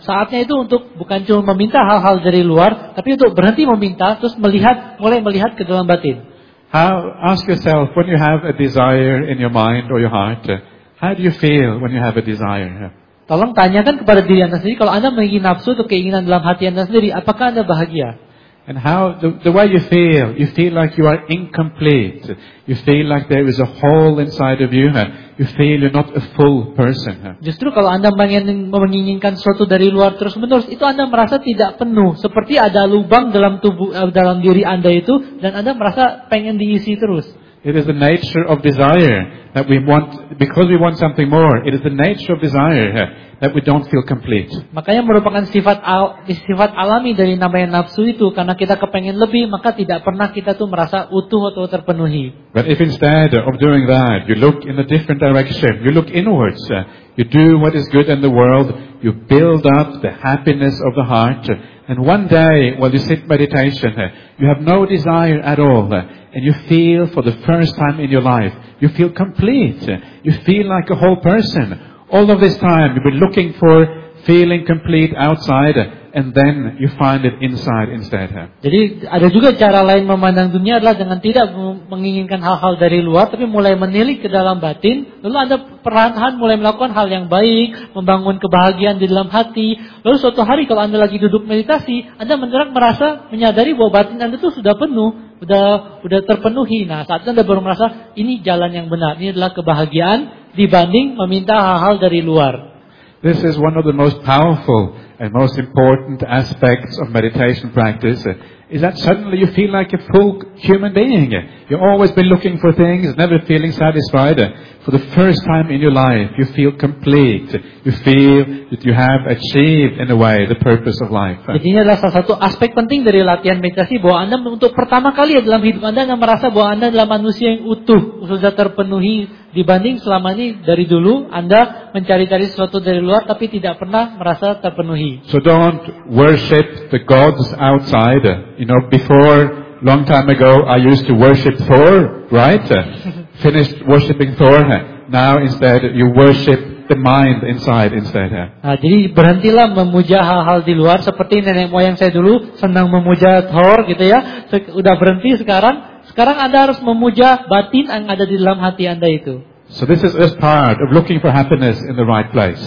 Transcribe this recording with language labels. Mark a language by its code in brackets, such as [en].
[id] Saatnya itu untuk bukan cuma meminta hal-hal dari luar, tapi untuk berhenti meminta, terus mulai melihat ke dalam batin. [en] Ask yourself when you have a desire in your mind or your heart, how do you feel when you have a desire? [id] Tolong tanyakan kepada diri Anda sendiri, kalau Anda memiliki nafsu atau keinginan dalam hati Anda sendiri, apakah Anda bahagia? [en] And how the way you feel like you are incomplete. You feel like there is a hole inside of you. You feel you're not a full person. [id] Justru kalau Anda menginginkan sesuatu dari luar terus-menerus, itu Anda merasa tidak penuh, seperti ada lubang dalam tubuh dalam diri Anda itu, dan Anda merasa pengen diisi terus. [en] It is the nature of desire that we want, because we want something more. It is the nature of desire that we don't feel complete. [id] Makanya merupakan sifat alami dari namanya nafsu itu, karena kita kepengen lebih, maka tidak pernah kita tuh merasa utuh atau terpenuhi. [en] But if instead of doing that, you look in a different direction, you look inwards, you do what is good in the world, you build up the happiness of the heart, and one day while you sit meditation, you have no desire at all, and you feel for the first time in your life, you feel complete, you feel like a whole person. All of this time you've been looking for feeling complete outside, and then you find it inside instead. [id] Jadi ada juga cara lain memandang dunia adalah dengan tidak menginginkan hal-hal dari luar, tapi mulai menilik ke dalam batin, lalu Anda perlahan-lahan mulai melakukan hal yang baik, membangun kebahagiaan di dalam hati. Lalu suatu hari kalau Anda lagi duduk meditasi, Anda mendadak merasa menyadari bahwa batin Anda itu sudah penuh, sudah terpenuhi. Nah, saat itu Anda baru merasa ini jalan yang benar, ini adalah kebahagiaan dibanding meminta hal-hal dari luar. [en] This is one of the most powerful and most important aspects of meditation practice, is that suddenly you feel like a full human being. You've always been looking for things, never feeling satisfied. For the first time in your life, you feel complete. You feel that you have achieved, in a way, the purpose of life. [id] Jadi ini adalah salah satu aspek penting dari latihan meditasi, bahwa Anda untuk pertama kali dalam hidup Anda, Anda merasa bahwa Anda adalah manusia yang utuh, sudah terpenuhi dibanding selama ini dari dulu, Anda mencari-cari sesuatu dari luar, tapi tidak pernah merasa terpenuhi. [en] So don't worship the gods outside. You know, before, long time ago, I used to worship Thor, right? Finished worshipping Thor. Now instead, you worship the mind inside instead. [id] Jadi berhentilah memuja hal-hal di luar, seperti nenek moyang saya dulu, senang memuja Thor, gitu ya. Sudah berhenti sekarang. Sekarang Anda harus memuja batin yang ada di dalam hati Anda itu. [en] So this is just part of looking for happiness in the right place.